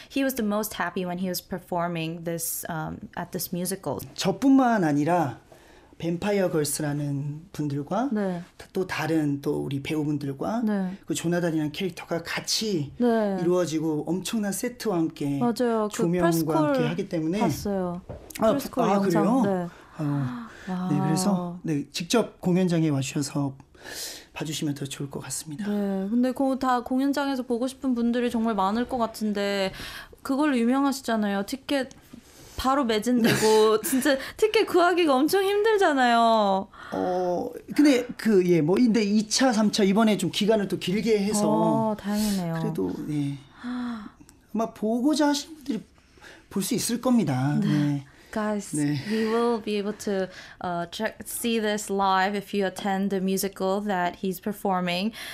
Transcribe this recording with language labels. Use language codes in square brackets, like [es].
[en] He was the most happy when he was performing this at this musical. [ko] 저뿐만 아니라 뱀파이어 걸스라는 분들과 네. 또 다른 또 우리 배우분들과 네. 그 조나단이라는 캐릭터가 같이 네. 이루어지고 엄청난 세트와 함께 맞아요. 조명과 그 함께 하기 때문에 봤어요. 프레스콜 영상. 그래요? 네. 네, 그래서 네, 직접 공연장에 와주셔서 봐주시면 더 좋을 것 같습니다. 네, 근데 다 공연장에서 보고 싶은 분들이 정말 많을 것 같은데 그걸로 유명하시잖아요. 티켓 바로 매진되고 진짜 티켓 구하기가 엄청 힘들잖아요. 근데 근데 2차, 3차 이번에 좀 기간을 또 길게 해서 다행이네요. 그래도 네, 아마 보고자 하신 분들이 볼 수 있을 겁니다. 네. 네. Guys, 네. [en] he will be able to see this live if you attend the musical that he's performing.